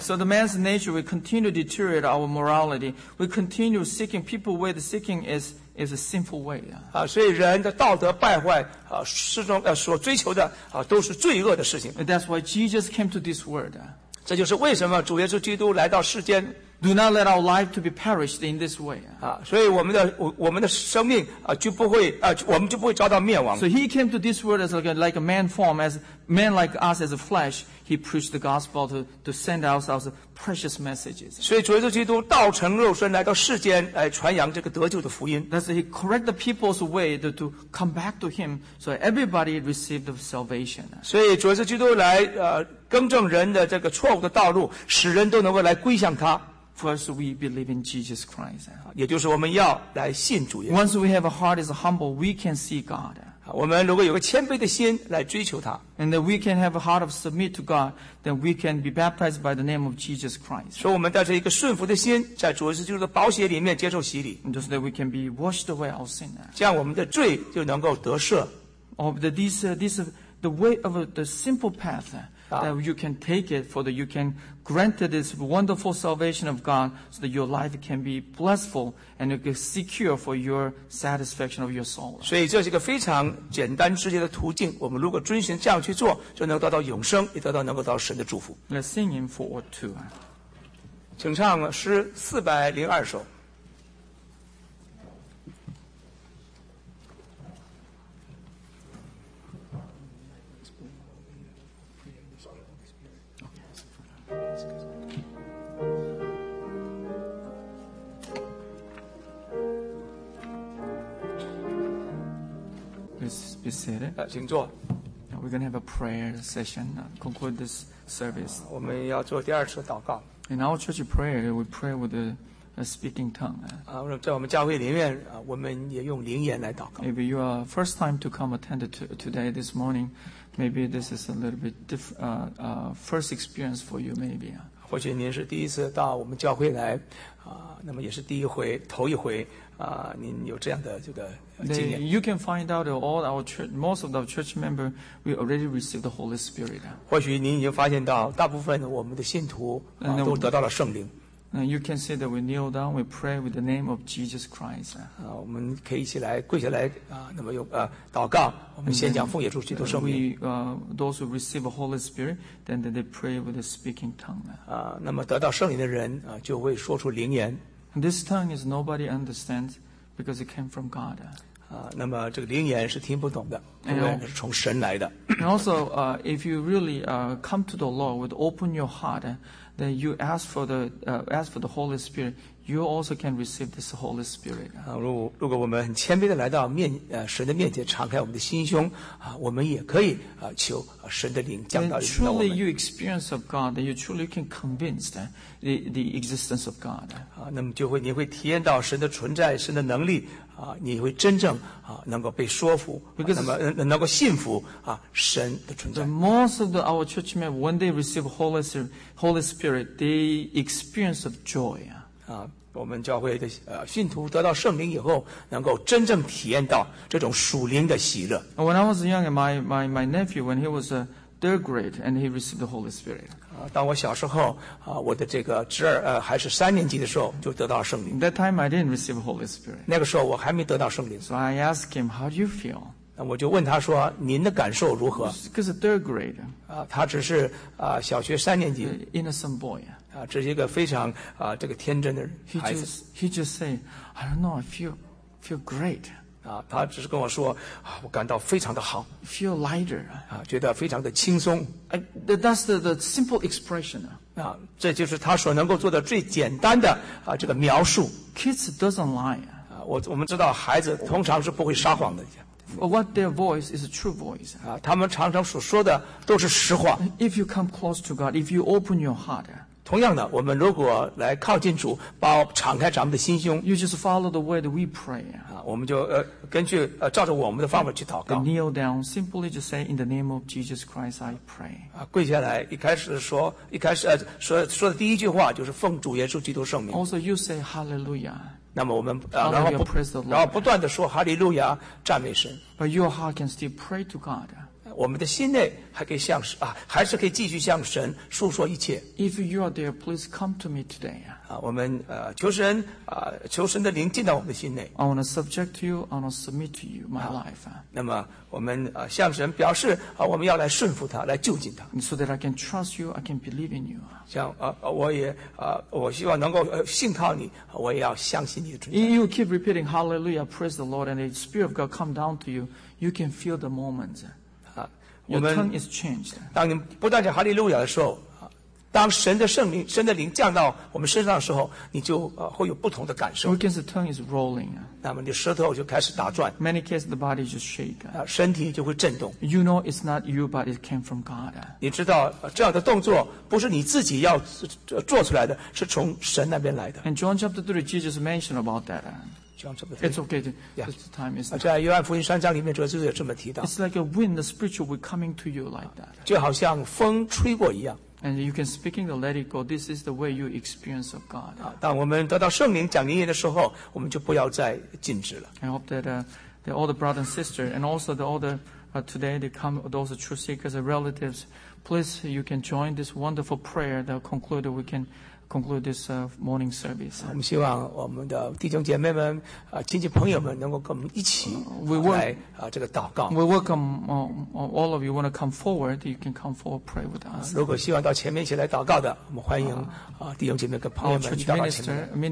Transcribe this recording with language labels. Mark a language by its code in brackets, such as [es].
[en] So the man's nature, we continue to deteriorate our morality. We continue seeking people where the seeking is a sinful way. [zh] 所以人的道德败坏所追求的都是罪恶的事情。 [en] That's why Jesus came to this world. [zh] 这就是为什么主耶稣基督来到世间。 [en] Do not let our life to be perished in this way. [zh] 所以我们的生命就不会我们就不会遭到灭亡。 [en] So he came to this world as like a man form, as man like us as a flesh. He preached the gospel to send out our precious messages. [zh] 所以主耶稣基督道成肉身来到世间来传扬这个得救的福音。 [en] That's he correct the people's way to come back to him, so everybody received the salvation. [zh] 所以主耶稣基督来更正人的这个错误的道路，使人都能够来归向他。 [en] First, we believe in Jesus Christ. [zh] 也就是我们要来信主耶稣。 [en] Once we have a heart that is humble, we can see God. [zh] 我们如果有个谦卑的心来追求他。 [en] And that we can have a heart of submit to God, then we can be baptized by the name of Jesus Christ. [zh] 所以我们带着一个顺服的心，在主耶稣基督的宝血里面接受洗礼。 [en] And so that we can be washed away our sin. [zh] 这样我们的罪就能够得赦。 [en] This the way of the simple path. That you can take it for that you can grant this wonderful salvation of God so that your life can be blessful and you can secure for your satisfaction of your soul. [zh] 所以这是一个非常简单直接的途径，我们如果遵循这样去做，就能得到永生，也得到能够得到神的祝福。 [en] Let's sing in 402. [zh] 请唱诗402首。 [en] Be seated. [zh] 请坐。 [en] We're going to have a prayer session, conclude this service. [zh] 我们要做第二次祷告。 [en] In our church prayer, we pray with a speaking tongue. [zh] 在我们教会里面，我们也用灵言来祷告。 [en] If you are first time to come attend today, this morning, maybe this is a little bit first experience for you, maybe. [zh] 或许您是第一次到我们教会来，那么也是第一回，头一回。您有这样的这个经验。 [en] You can find out that all our church, most of our church members, we already received the Holy Spirit. [zh] 或许您已经发现到，大部分我们的信徒都得到了圣灵。 [en] And you can see that we kneel down, we pray with the name of Jesus Christ. [zh] 我们可以一起来跪下来那么用祷告。我们先讲奉耶稣基督圣名。 [en] Those who receive the Holy Spirit, then they pray with a speaking tongue. [zh] 那么得到圣灵的人就会说出灵言。 [en] This tongue is nobody understands because it came from God. [zh] 那么这个灵言是听不懂的，因为是从神来的。 [en] And also, if you really come to the Lord with open your heart, then you ask for the Holy Spirit, you also can receive this Holy Spirit. [zh] 如果我们很谦卑的来到神的面前，敞开我们的心胸，我们也可以求神的灵降到我们。 [en] Truly, you experience of God, that you truly can convince that. The existence of God. [zh] 那么就会你会体验到神的存在，神的能力你会真正能够被说服，能够信服神的存在。 [en] Most of our church members, when they receive Holy Spirit, they experience of joy. [zh] 我们教会的信徒得到圣灵以后，能够真正体验到这种属灵的喜乐。 [en] When I was young, my nephew, when he was third grade and he received the Holy Spirit. [zh] 当我小时候我的这个侄儿还是三年级的时候就得到圣灵。 [en] That time I didn't receive the Holy Spirit. [zh] 那个时候我还没得到圣灵。 [en] So I asked him, how do you feel? [zh] 那我就问他说您的感受如何 [en] Because a third grade. [zh] 他只是小学三年级。 [en] Innocent boy. [zh] 这是一个非常这个天真的孩子。 [en] He just said, I don't know, I feel great. [zh] 他只是跟我说我感到非常的好 [en] feel lighter [zh] 觉得非常的轻松 [en] that's the simple expression [zh] 这就是他所能够做的最简单的这个描述 [en] kids doesn't lie [zh] 我们知道孩子通常是不会撒谎的 [en] what their voice is a true voice [zh] 他们常常所说的都是实话 [en] if you come close to God if you open your heart [zh] 同样的我们如果来靠近主包敞开咱们的心胸 [en] you just follow the way that we pray [zh] 我们就根据照着我们的方法去祷告。 [en] Kneel down, simply just say in the name of Jesus Christ, I pray. [zh] 跪下来，一开始说的第一句话就是奉主耶稣基督圣名。 [en] Also, you say Hallelujah. [zh] 那么我们然后不断的说 Hallelujah, 赞美神。 [en] But your heart can still pray to God. [zh] 我们的心内还可以还是可以继续向神诉说一切。 [en] If you are there, please come to me today. [zh] 我们求神的灵进到我们的心内。 [en] I want to subject to you, I want to submit to you my life. [zh] 那么我们向神表示我们要来顺服他，来就近他。 [en] So that I can trust you, I can believe in you. [zh] 像我希望能够信靠你，我也要相信你的存在。 [en] You keep repeating Hallelujah, praise the Lord, and the Spirit of God come down to you. You can feel the moment. Your tongue is changed. [zh] 当你不断讲 Hallelujah 的时候。当神的圣灵、神的灵降到我们身上的时候，你就会有不同的感受。 [en] Because the tongue is rolling. [zh] 那么你舌头就开始打转。 [en] Many cases the body just shake. [zh] 身体就会震动。 [en] You know it's not you, but it came from God. [zh] 你知道这样的动作不是你自己要做出来的，是从神那边来的。 [en] And John chapter 3, Jesus mentioned about that. John chapter 3. It's okay. Yes. The time is. [zh] 在约翰福音三章里面，主耶稣也这么提到。 [en] It's like a wind, the spiritual wind coming to you like that. [zh] 就好像风吹过一样。 [en] And you can speaking to let it go. This is the way you experience of God. [zh] 当我们得到圣灵讲灵言的时候，我们就不要再禁止了。 [en] I hope that, that all the brothers and sisters, and also the all the, today they come, those true seekers and relatives, please you can join this wonderful prayer that conclude we can conclude this morning service. [zh] 我们希望我们的弟兄姐妹们、亲戚朋友们能够跟我们一起来、这个祷告。 [en] We welcome all of you. Want to come forward? You can come forward, pray with us. [zh] 如果希望到前面一起来祷告的，我们欢迎、弟兄姐妹跟朋友们一起到前面。